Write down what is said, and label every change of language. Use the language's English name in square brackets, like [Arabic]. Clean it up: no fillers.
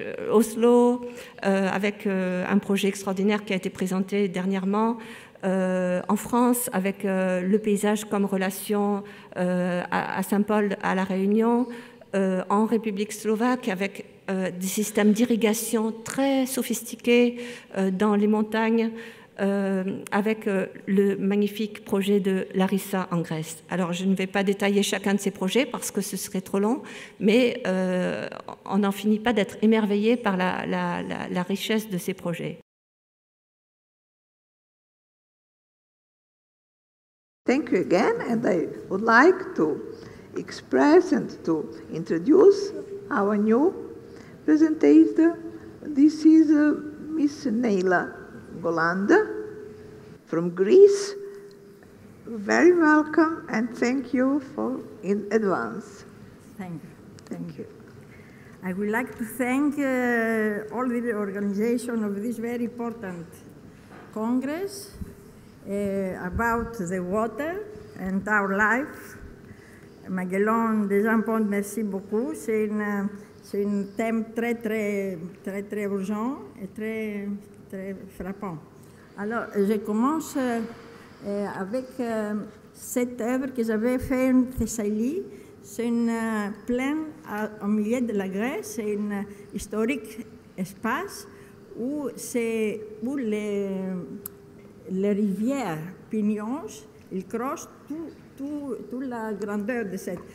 [French] Oslo, avec un projet extraordinaire qui a été présenté dernièrement en France, avec le paysage comme relation à Saint-Paul, à La Réunion, en République slovaque, avec des systèmes d'irrigation très sophistiqués dans les montagnes, avec le magnifique projet de Larissa en Grèce. Alors, je ne vais pas détailler chacun de ces projets parce que ce serait trop long, mais on n'en finit pas d'être émerveillé par la richesse de ces projets. [English] Thank you again, and I would like to express and to introduce our new presentator. This is Miss Neila Golanda from Greece. Very welcome and thank you for in advance. Thank you. I would like to thank all the organization of this very important Congress about the water and our life. [French] Magellan Desjardins, merci beaucoup. C'est un thème très, très, très, très urgent et très, très frappant. Alors, je commence avec cette œuvre que j'avais faite en Thessalie. C'est une plaine au milieu de la Grèce, c'est un historique espace où les rivières Pignons, ils crossent toute la grandeur de cette.